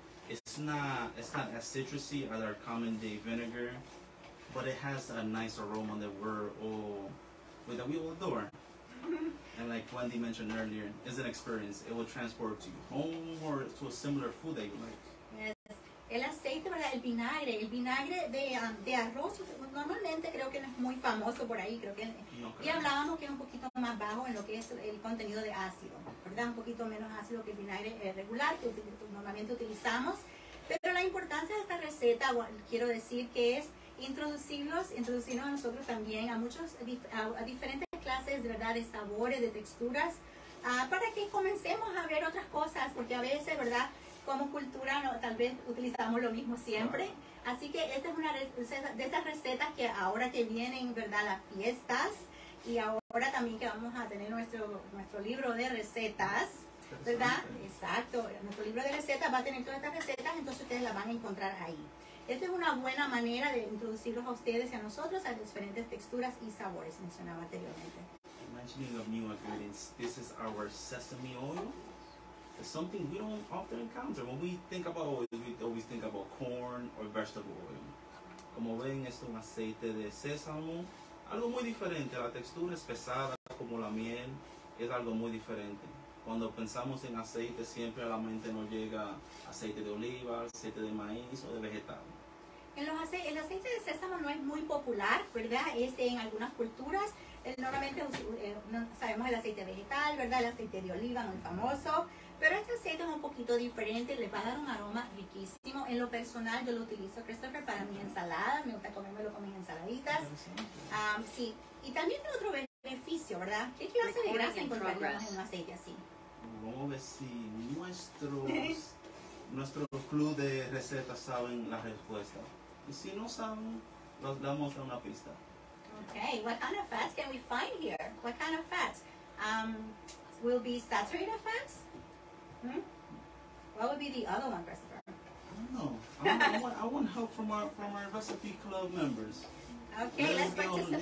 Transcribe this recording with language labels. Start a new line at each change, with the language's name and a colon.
English: It's not as citrusy as our common day vinegar, but it has a nice aroma that we all adore. And like Wendy mentioned earlier, it's an experience. It will transport to you home or to a similar food that you like.
Spanish: Yes. El aceite, ¿verdad? El vinagre de arroz, normalmente creo que no es muy famoso por ahí, creo que... No creo. Y hablábamos que es un poquito más bajo en lo que es el contenido de ácido, ¿verdad? Un poquito menos ácido que el vinagre regular que normalmente utilizamos. Pero la importancia de esta receta, bueno, quiero decir que es introducirnos a nosotros también a muchos a diferentes clases, ¿verdad?, de sabores, de texturas, para que comencemos a ver otras cosas, porque a veces, ¿verdad?, como cultura no, tal vez utilizamos lo mismo siempre. Así que esta es una de esas recetas que ahora que vienen, ¿verdad?, las fiestas, y ahora también que vamos a tener nuestro libro de recetas, ¿verdad? Exacto, nuestro libro de recetas va a tener todas estas recetas, entonces ustedes las van a encontrar ahí. Esta es una buena manera de introducirlos a ustedes y a nosotros a diferentes texturas y sabores, mencionaba anteriormente.
English: Imagining of new ingredients, this is our sesame oil. It's something we don't often encounter. When we think about oil, we always think about corn or vegetable oil.
Spanish: Como ven, esto es un aceite de sésamo. Algo muy diferente, la textura es pesada como la miel, es algo muy diferente. Cuando pensamos en aceite, siempre a la mente nos llega aceite de oliva, aceite de maíz o de vegetal. El aceite de sésamo no es muy popular, ¿verdad? Es en algunas culturas, normalmente sabemos el aceite vegetal, ¿verdad? El aceite de oliva, muy famoso. Pero este aceite es un poquito diferente, le va a dar un aroma riquísimo. En lo personal, yo lo utilizo, Christopher, para mi ensalada. Me gusta comérmelo con mis ensaladitas. Sí. Y también tiene otro beneficio, ¿verdad? ¿Qué clase de grasa encontraríamos en un aceite así? Vamos a ver si nuestro club de recetas saben la respuesta. Y si no saben, los damos a una pista.
English: Ok, what kind of fats can we find here? What kind of fats? Will be saturated fats? What would be the other one, Christopher? I don't know. I want help from our recipe club members. Okay, let's participate.